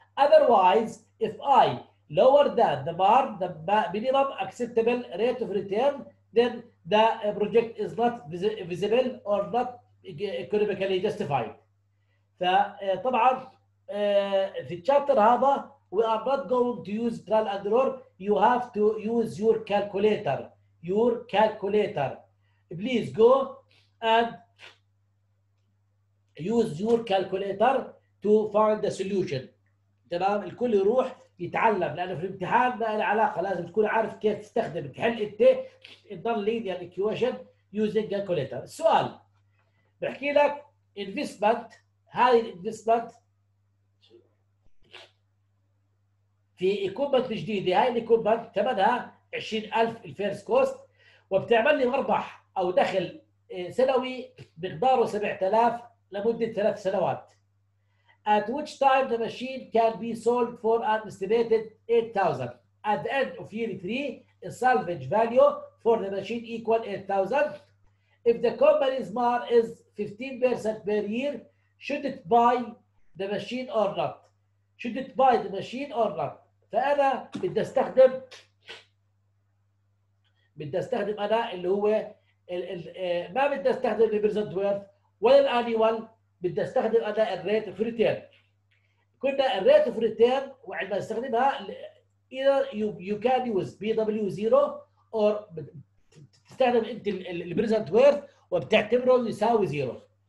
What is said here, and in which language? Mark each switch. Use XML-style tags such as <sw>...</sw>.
<en>Otherwise if I lower than the bar the minimum acceptable rate of return then the project is not visible or not economically justified.</en> <ar>فطبعا في الشابتر هذا</ar> <en>We are not going to use trial and error. You have to use your calculator. Your calculator. Please go and use your calculator to find the solution.</en> <ar>تمام؟ الكل يروح يتعلم لأنه في الامتحان ما له علاقة، لازم تكون عارف كيف تستخدم. تحل أنت</ar> <en>النون linear equation using calculator.</en> <ar>السؤال بحكي لك انفستمنت، هذه الانفستمنت في إيكوبمنت جديدة، هاي الإيكوبمنت ثمنها 20,000 الفيرست كوست، وبتعمل لي مربح أو دخل سنوي مقداره 7,000 لمدة 3 سنوات.</ar> <en>At which time the machine can be sold for an estimated 8,000. At the end of year 3, the salvage value for the machine equal 8,000. If the company's MAR is 15% per year, should it buy the machine or not? Should it buy the machine or not?</en> <ar>فأنا بدي استخدم أنا اللي هو ما بدي استخدم present worth ولا annual. بدي استخدم انا الريت اوف ريتيرن. كنا الريت اوف ريتيرن وعندما استخدمها</ar> <en>either you can use BW0 or</en> <ar>بتستخدم انت البريزنت ويرث وبتعتبره يساوي زيرو.</ar>